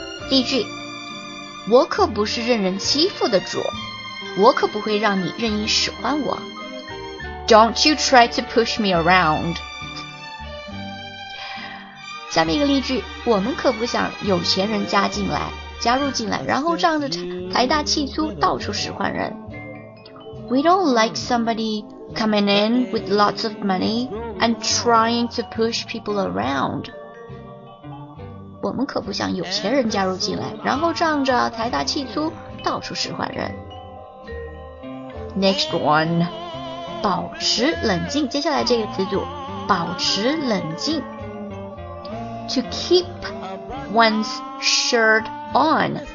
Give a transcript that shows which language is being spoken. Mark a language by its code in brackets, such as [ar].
[zh] 例句，我可不是任人欺负的主，我可不会让你任意使唤我。 [en] Don't you try to push me around。 [zh] 下面一个例句，我们可不想有钱人加入进来，然后仗着财大气粗到处使唤人。 [en] We don't like somebody coming in with lots of money and trying to push people around. [zh] 我们可不想有钱人加入进来，然后仗着财大气粗到处使唤人。 [en] Next one， [zh] 保持冷静。接下来这个词组，保持冷静。 [en] To keep one's shirt on.